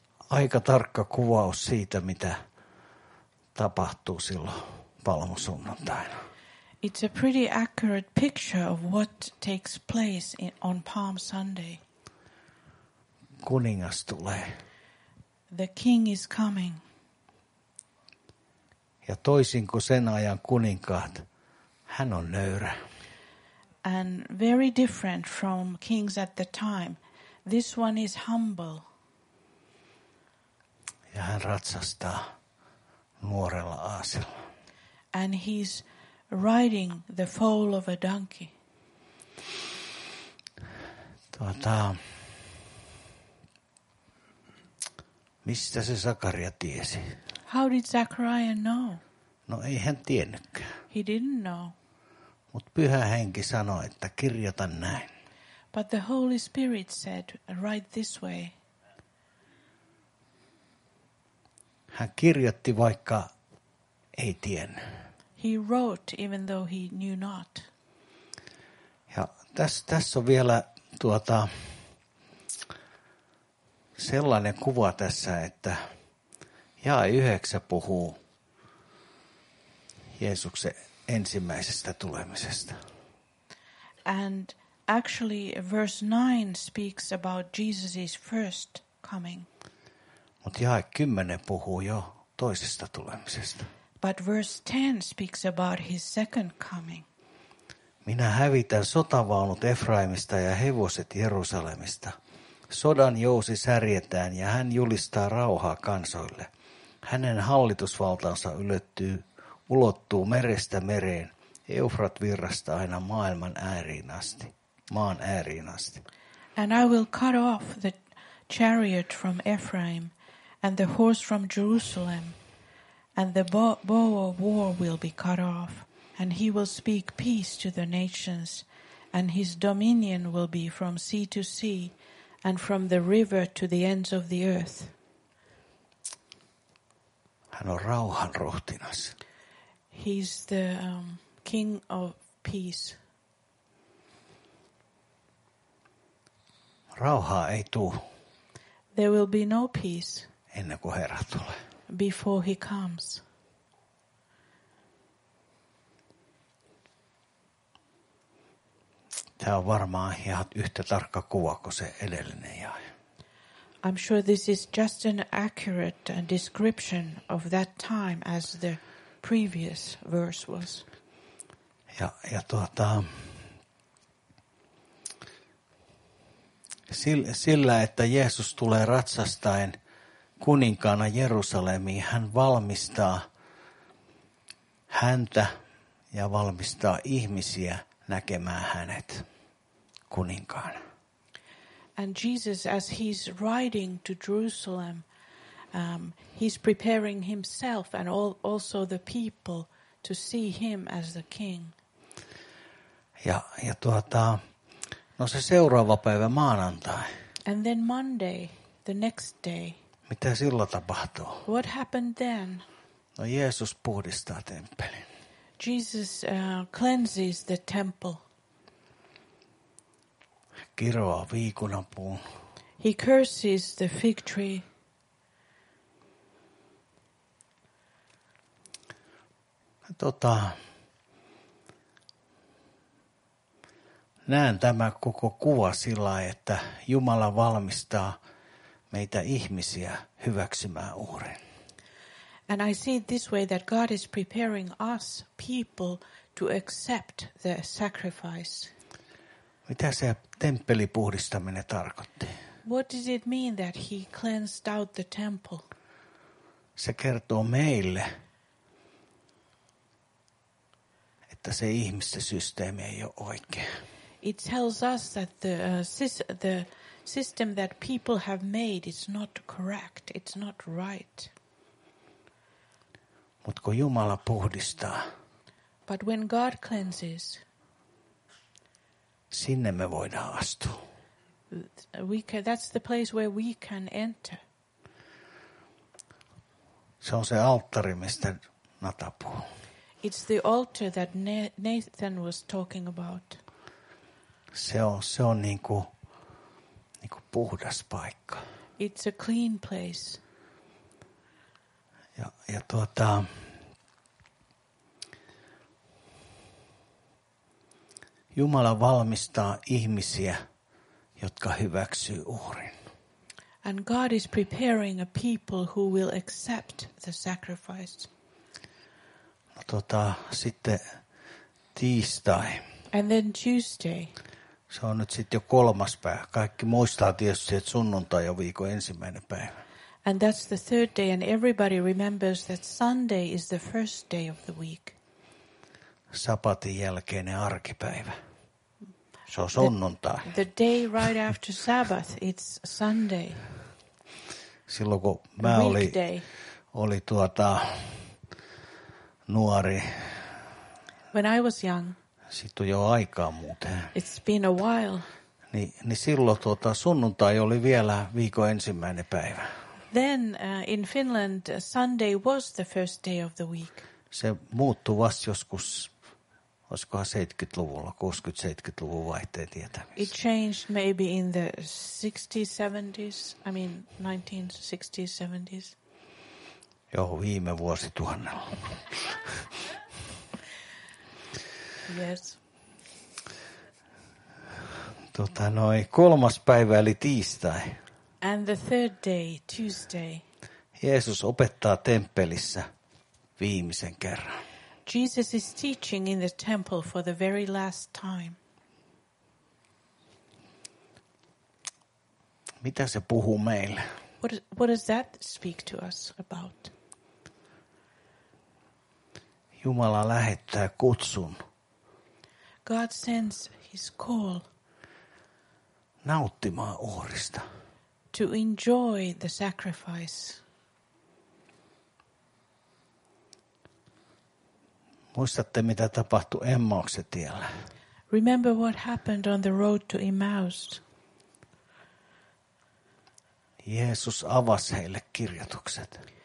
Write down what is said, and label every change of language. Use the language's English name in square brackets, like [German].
[Finnish] Aika tarkka kuvaus siitä, mitä tapahtuu silloin palmusunnuntaina. [English] It's a pretty accurate picture of what takes place on Palm Sunday. [Finnish] Kuningas tulee. [English] The king is coming. [Finnish] Ja toisin kuin sen ajan kuninkaat, hän on nöyrä. [English] And very different from kings at the time. This one is humble. [Finnish] Ja hän ratsastaa nuorella aasilla. [English] And he's riding the foal of a donkey. [Finnish] Mistä se Sakaria tiesi? [English] How did Zechariah know? [Finnish] No ei hän tiennytkään. [English] He didn't know. [Finnish] Mut Pyhä Henki sanoi, että kirjoita näin. [English] But the Holy Spirit said, write this way. [Finnish] Hän kirjoitti, vaikka ei tiennyt. [English] He wrote even though he knew not. [Finnish] Ja tässä on vielä sellainen kuva tässä, että jae 9 puhuu Jeesuksen ensimmäisestä tulemisesta. [English] And actually verse 9 speaks about Jesus's first coming. [Finnish] Mut jae 10 puhuu jo toisesta tulemisesta. [English] But verse 10 speaks about his second coming. [Finnish] Minä hävitän sotavaunut Efraimista ja hevoset Jerusalemista. Sodan jousi särjetään ja hän julistaa rauhaa kansoille. Hänen hallitusvaltansa ulottuu merestä mereen, Eufrat-virrasta aina maailman ääriin asti, maan ääriin asti. [English] And I will cut off the chariot from Ephraim and the horse from Jerusalem, and the bow of war will be cut off, and he will speak peace to the nations, and his dominion will be from sea to sea, and from the river to the ends of the earth. [Finnish] Hän on rauhan ruhtinas. [English] He's the king of peace. [Finnish] Rauhaa ei tule. [English] There will be no peace. [Finnish] Ennen kuin Herra tulee. [English] Before he comes. [Finnish] Tämä on varmaan ihan yhtä tarkka kuva kuin se edellinen jae. [English] I'm sure this is just an accurate description of that time as the previous verse was. [Finnish] Ja tuota, sillä, että Jeesus tulee ratsastaen kuninkaana Jerusalemiin, hän valmistaa häntä ja valmistaa ihmisiä näkemään hänet kuninkaana. [English] And Jesus, as he's riding to Jerusalem, he's preparing himself and also the people to see him as the king. [Finnish] Ja tuota, no se seuraava päivä maanantai. [English] And then Monday, the next day. [Finnish] Mitä sillä tapahtuu? [English] What happened then? [Finnish] No Jeesus puhdistaa temppelin. [English] Jesus cleanses the temple. [Finnish] Kiroaa viikunapuun. [English] He curses the fig tree. [Finnish] Tota, näen tämä koko kuva sillä, että Jumala valmistaa meitä ihmisiä hyväksymään uhrin. [English] And I see it this way that God is preparing us people to accept the sacrifice. [Finnish] Mitä se temppeli puhdistaminen tarkoitti? [English] What does it mean that he cleansed out the temple? [Finnish] Se kertoo meille, että se ihmisten systeemi ei ole oikein. [English] It tells us that the system that people have made is not correct. It's not right. [Finnish] Mut kun Jumala puhdistaa. [English] But when God cleanses, [Finnish] sinne me voidaan astua. [English] That's the place where we can enter. [Finnish] Se on se alttari, mistä Nathan puhuu. [English] It's the altar that Nathan was talking about. [Finnish] Se on niinku puhdas paikka. [English] It's a clean place. [Finnish] Ja tuota, Jumala valmistaa ihmisiä, jotka hyväksyy uhrin. [English] And God is preparing a people who will accept the sacrifice. [Finnish] No tota, sitten tiistai. [English] And then Tuesday. [Finnish] Se on nyt sitten jo kolmas päivä. Kaikki muistaa tietysti, että sunnuntai on viikon ensimmäinen päivä. [English] And that's the third day, and everybody remembers that Sunday is the first day of the week. [Finnish] Sapatin jälkeinen arkipäivä. Se on sunnuntai. [English] The day right after Sabbath, it's Sunday. [Finnish] Silloin kun mä oli tuota nuori. [English] When I was young. [Finnish] Sitten jo aikaa muuten. [English] It's been a while. [Finnish] Niin silloin tuota sunnuntai oli vielä viikon ensimmäinen päivä. [English] Then in Finland, Sunday was the first day of the week. [Finnish] Se muuttui vasta joskus. Olisikohan 70-luvulla, 60-70-luvun vaihteen tietämissä. [English] It changed maybe in the 60s, 70s, I mean 1960s, 70s. [Finnish] Joo, viime vuosituhannella. [English] Yes. [Finnish] Tota noin, kolmas päivä eli tiistai. [English] And the third day, Tuesday. [Finnish] Jeesus opettaa temppelissä viimeisen kerran. [English] Jesus is teaching in the temple for the very last time. [Finnish] Mitä se puhuu meille? [English] What does that speak to us about? [Finnish] Jumala lähettää kutsun. [English] God sends his call. [Finnish] Nauttimaan uhrista. [English] To enjoy the sacrifice. [Finnish] Muistatte, mitä tapahtui Emmauksen tiellä. [English] Remember what happened on the road to Emmaus. [Finnish] Jeesus avasi heille kirjoitukset.